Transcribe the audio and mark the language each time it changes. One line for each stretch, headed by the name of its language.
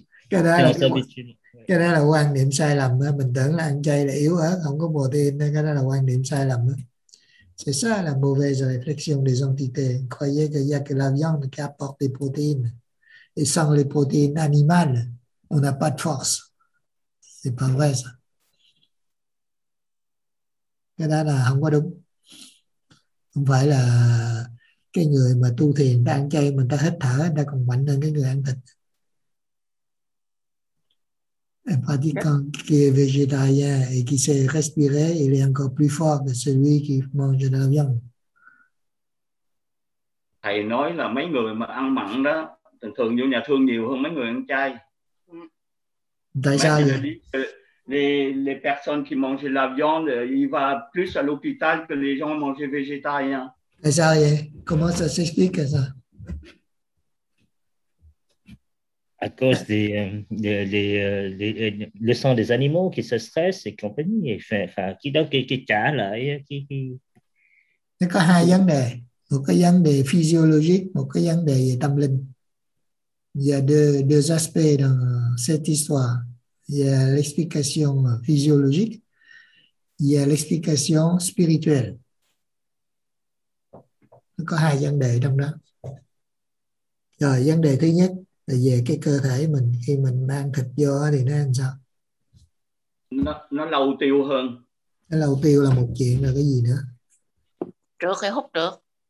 Vietnamese: Cái đó là quan niệm sai lầm. Mình tưởng là ăn chay là yếu ớt, không có protein. Cái đó là quan niệm sai lầm.
French: C'est ça la mauvaise réflexion des entités. Croyez qu'il y a que la viande qui apporte des protéines. Et sans les protéines animales, on n'a pas de force. C'est pas vrai ça.
Vietnamese: Cái đó là không có đúng. Không phải là cái người mà tu thiền, người ta ăn chay, mình ta hít thở, người ta còn mạnh hơn cái người ăn thịt.
French: Un pratiquant qui est végétarien et qui sait respirer, il est encore plus fort que celui qui mange de la viande.
Vietnamese: Thầy nói là mấy người mà ăn mặn đó thường thường vô nhà thương nhiều hơn mấy người ăn chay. Tại sao vậy?
French: Les personnes qui mangent de la viande, ils vont plus à l'hôpital que les gens mangent végétarien. Tại sao vậy? Comment ça s'explique ça? À cause le sang des animaux qui se stressent et compagnie, qui donc qui
Vietnamese: trả lại
French: qui.
Vietnamese: Nó có hai vấn đề, một cái vấn đề physiologique, một cái vấn đề tâm linh.
French: Il y a deux aspects dans cette histoire. Il y a l'explication physiologique, il y a l'explication spirituelle.
Vietnamese: Nó có hai vấn đề trong đó. Rồi vấn đề thứ nhất về cái cơ thể mình, khi mình mang thịt vô thì nó làm sao? Nó lâu tiêu hơn. Nó lâu tiêu là một chuyện, rồi cái gì nữa? Trước hay hút được.